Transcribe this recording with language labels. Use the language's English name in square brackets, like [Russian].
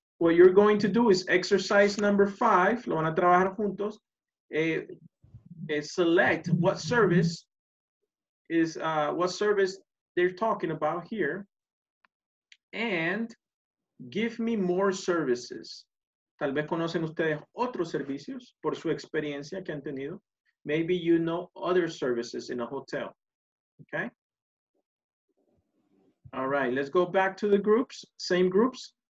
[English] What you're going to do is exercise number 5, [Spanish] lo van a trabajar juntos, [English] select what service they're talking about here, and give me more services. [Spanish] Tal vez conocen ustedes otros servicios por su experiencia que han tenido. [English] Maybe you know other services in a hotel, okay? All right, let's go back to the groups, same groups.